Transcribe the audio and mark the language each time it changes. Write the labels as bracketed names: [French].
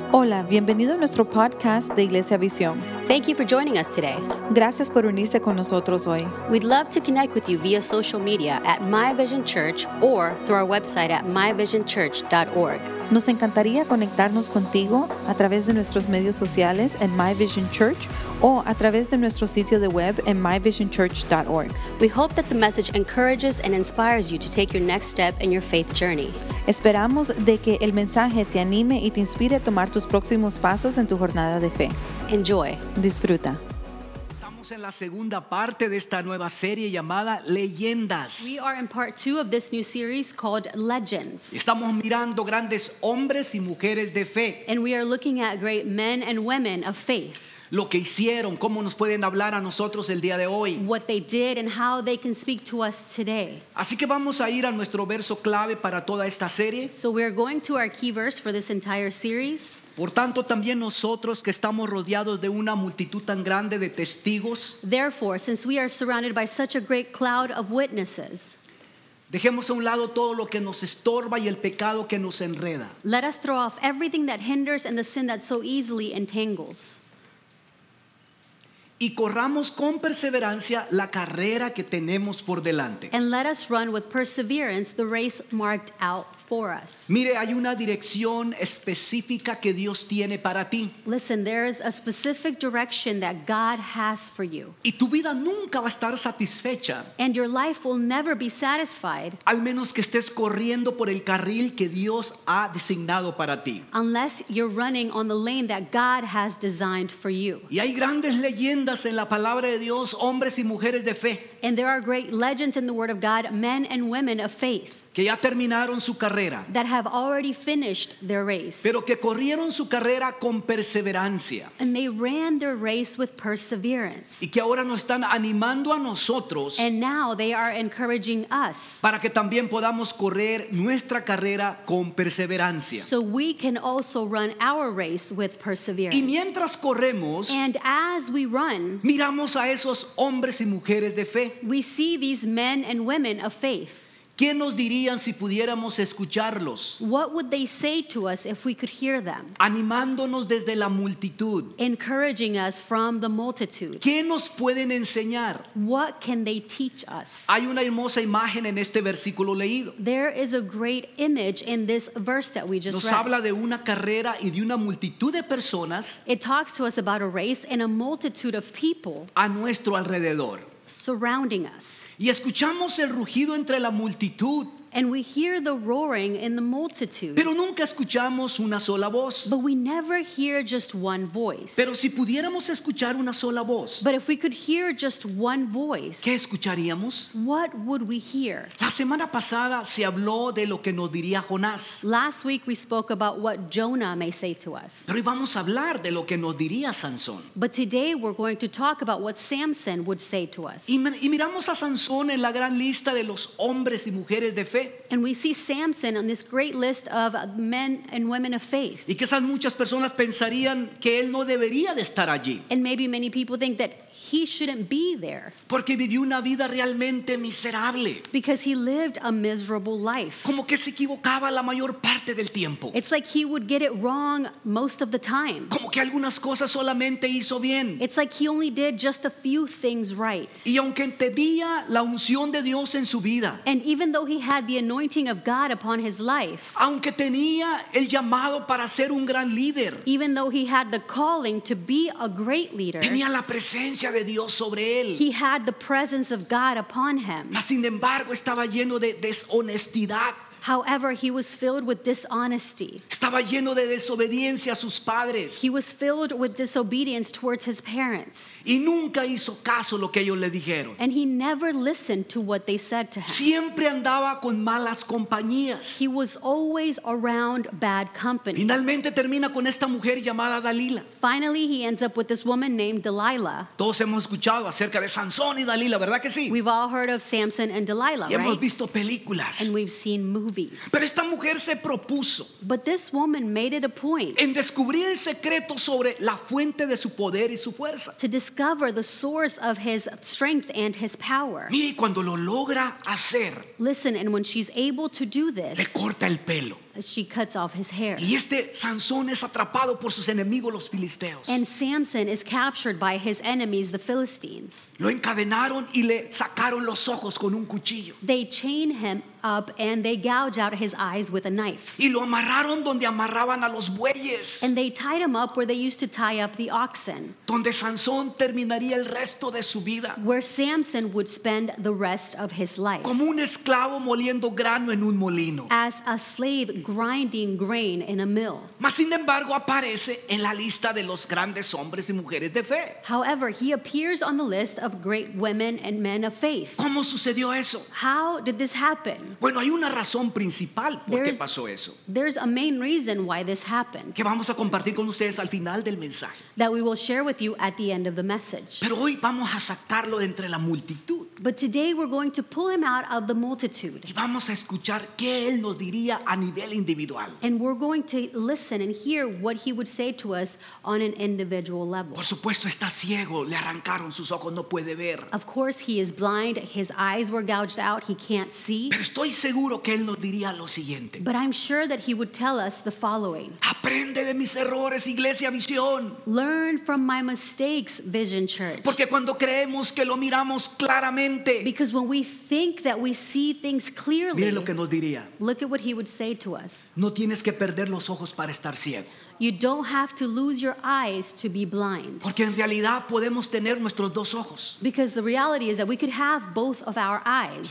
[Spanish] Hola, bienvenido a nuestro podcast de Iglesia Visión. [English] Thank you for joining us today. [Spanish] Gracias por unirse con nosotros hoy. [English] We'd love to connect with you via social media at My Vision Church or through our website at myvisionchurch.org. [Spanish] Nos encantaría conectarnos contigo a través de nuestros medios sociales en My Vision Church o a través de nuestro sitio de web en myvisionchurch.org. [English] We hope that the message encourages and inspires you to take your next step in your faith journey. [Spanish] Esperamos de que el mensaje te anime y te inspire a tomar tus próximos pasos en tu jornada de fe. [English] Enjoy. [Spanish] Disfruta. En la segunda parte de esta nueva serie llamada Leyendas. [English] We are in part two of this new series called Legends. [Spanish] Estamos mirando grandes hombres y mujeres de fe. [English] And we are looking at great men and women of faith. [Spanish] Lo que hicieron, cómo nos pueden hablar a nosotros el día de hoy. [English] What they did and how they can speak to us today. [Spanish] Así que vamos a ir a nuestro verso clave para toda esta serie. [English] So we are going to our key verse for this entire series. [Spanish] Por tanto, también nosotros que estamos rodeados de una multitud tan grande de testigos. [English] Therefore, since we are surrounded by such a great cloud of witnesses. [Spanish] Dejemos a un lado todo lo que nos estorba y el pecado que nos enreda. [English] Let us throw off everything that hinders and the sin that so easily entangles. [Spanish] Y corramos con perseverancia la carrera que tenemos por delante. [English] And let us run with perseverance the race marked out for us. [Spanish] Mire, hay una dirección específica que Dios tiene para ti. [English] Listen, there is a specific direction that God has for you. [Spanish] Y tu vida nunca va a estar satisfecha. [English] And your life will never be satisfied. [Spanish] Al menos que estés corriendo por el carril que Dios ha designado para ti. [English] Unless you're running on the lane that God has designed for you. [Spanish] Y hay grandes leyendas en la palabra de Dios, hombres y mujeres de fe. [English] And there are great legends in the Word of God, men and women of faith. [Spanish] Que ya terminaron su carrera. [English] That have already finished their race. [Spanish] Pero que corrieron su carrera con perseverancia. [English] And they ran their race with perseverance. [Spanish] Y que ahora nos están animando a nosotros. [English] And now they are encouraging us. [Spanish] Para que también podamos correr nuestra carrera con perseverancia. [English] So we can also run our race with perseverance. [Spanish] Y mientras corremos. [English] And as we run. [Spanish] Miramos a esos hombres y mujeres de fe. [English] We see these men and women of faith. [Spanish] ¿Qué nos dirían si pudiéramos escucharlos? [English] What would they say to us if we could hear them? [Spanish] Animándonos desde la multitud. [English] Encouraging us from the multitude. [Spanish] ¿Qué nos pueden enseñar? [English] What can they teach us? [Spanish] Hay una hermosa imagen en este versículo leído. [English] There is a great image in this verse that we just [Spanish] nos [English] read. [Spanish] Nos habla de una carrera y de una multitud de personas. [English] It talks to us about a race and a multitude of people. [Spanish] A nuestro alrededor. [English] Surrounding us. [Spanish] Y escuchamos el rugido entre la multitud. [English] And we hear the roaring in the multitude. [Spanish] Pero nunca escuchamos una sola voz. [English] But we never hear just one voice. [Spanish] Pero si pudiéramos escuchar una sola voz. [English] But if we could hear just one voice. [Spanish] ¿Qué escucharíamos? [English] What would we hear? [Spanish] La semana pasada se habló de lo que nos diría Jonás. [English] Last week we spoke about what Jonah may say to us. [Spanish] Pero hoy vamos a hablar de lo que nos diría Sansón. [English] But today we're going to talk about what Samson would say to us. [Spanish] Y miramos a Sansón en la gran lista de los hombres y mujeres de [English] and we see Samson on this great list of men and women of faith. [Spanish] Y quizás muchas personas pensarían que él no debería de estar allí. [English] And maybe many people think that he shouldn't be there. [Spanish] Porque vivió una vida realmente miserable. [English] Because he lived a miserable life. [Spanish] Como que se equivocaba la mayor parte del tiempo. [English] It's like he would get it wrong most of the time. [Spanish] Como que algunas cosas solamente hizo bien. [English] It's like he only did just a few things right. [Spanish] Y aunque entendía la unción de Dios en su vida. [English] And even though he had the anointing of God upon his life. [Spanish] Aunque tenía el llamado para ser un gran líder. [English] Even though he had the calling to be a great leader. [Spanish] Tenía la presencia de Dios sobre él. [English] He had the presence of God upon him. [Spanish] Mas sin embargo estaba lleno de deshonestidad. [English] However, he was filled with dishonesty. [Spanish] Estaba lleno de desobediencia a sus padres. [English] He was filled with disobedience towards his parents. [Spanish] Y nunca hizo caso lo que ellos le dijeron. [English] And he never listened to what they said to him. [Spanish] Siempre andaba con malas compañías. [English] He was always around bad company. [Spanish] Finalmente termina con esta mujer llamada Dalila. [English] Finally, he ends up with this woman named Delilah. [Spanish] Todos hemos escuchado acerca de Sansón y Dalila, ¿verdad que sí? [English] We've all heard of Samson and Delilah, [Spanish] y [English] right? [Spanish] Hemos visto películas. [English] And we've seen movies. [Spanish] Pero esta mujer se propuso. [English] But this woman made it a point. [Spanish] En descubrir el secreto sobre la fuente de su poder y su fuerza. [English] To discover the source of his strength and his power. [Spanish] Mire, cuando lo logra hacer. [English] Listen, and when she's able to do this. [Spanish] Le corta el pelo. [English] she cuts off his hair. [Spanish] Y este Sansón es atrapado por sus enemigos los filisteos. [English] And Samson is captured by his enemies, the Philistines. [Spanish] Lo encadenaron y le sacaron los ojos con un cuchillo. [English] They chain him up and they gouge out his eyes with a knife. [Spanish] Y lo amarraron donde amarraban a los bueyes. [English] And they tied him up where they used to tie up the oxen. [Spanish] Donde Sansón terminaría el resto de su vida. [English] Where Samson would spend the rest of his life. [Spanish] Como un esclavo moliendo grano en un molino. [English] As a slave grinding grain in a mill. [Spanish] Mas sin embargo aparece en la lista de los grandes hombres y mujeres de fe. [English] However, he appears on the list of great women and men of faith. [Spanish] ¿Cómo sucedió eso? [English] How did this happen? [Spanish] Bueno, hay una razón principal por qué pasó eso. [English] There's a main reason why this happened. [Spanish] Que vamos a compartir con ustedes al final del mensaje. [English] That we will share with you at the end of the message. [Spanish] Pero hoy vamos a sacarlo de entre la multitud. [English] But today we're going to pull him out of the multitude. [Spanish] Y vamos a escuchar qué él nos diría a nivel individual. [English] And we're going to listen and hear what he would say to us on an individual level. [Spanish] Por supuesto, está ciego, le arrancaron sus ojos, no puede ver. [English] Of course, he is blind, his eyes were gouged out, he can't see. [Spanish] Pero estoy seguro que él nos diría lo siguiente. [English] But I'm sure that he would tell us the following. [Spanish] Aprende de mis errores, Iglesia Visión. [English] Learn from my mistakes, Vision Church. [Spanish] Porque cuando creemos que lo miramos claramente. [English] Because when we think that we see things clearly. [Spanish] Mire lo que nos diría. [English] Look at what he would say to us. [Spanish] No tienes que perder los ojos para estar ciego. [English] You don't have to lose your eyes to be blind. [Spanish] Porque en realidad podemos tener nuestros dos ojos. [English] Because the reality is that we could have both of our eyes.